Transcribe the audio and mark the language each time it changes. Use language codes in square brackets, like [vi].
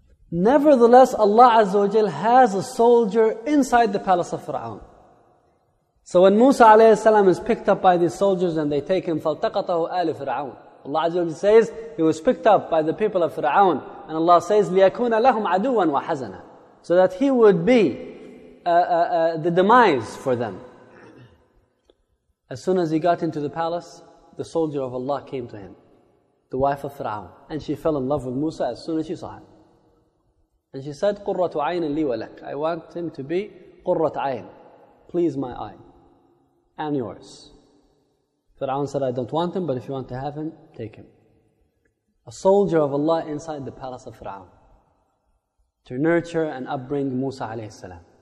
[en] Nevertheless, Allah Azza wa Jalla has a soldier inside the palace of Fir'aun. So when Musa alayhi salam is picked up by these soldiers and they take him, [ar] فَالْتَقَطَهُ آلِ فِرْعَوْنَ. [en] Allah Azza wa Jalla says, he was picked up by the people of Fir'aun. And Allah says, [ar] لِيَكُونَ لَهُمْ عَدُوًا وَحَزَنًا. [en] So that he would be the demise for them. As soon as he got into the palace, the soldier of Allah came to him, the wife of Fir'aun, and she fell in love with Musa as soon as she saw him. And she said, [ar] قُرَّةُ عَيْنٍ لِي وَلَكَ. [en] I want him to be [ar] قُرَّةُ عَيْنٍ. [en] Please my eye, and yours. Fir'aun said, I don't want him, but if you want to have him, take him. A soldier of Allah inside the palace of Fir'aun, to nurture and upbring Musa alayhi salam.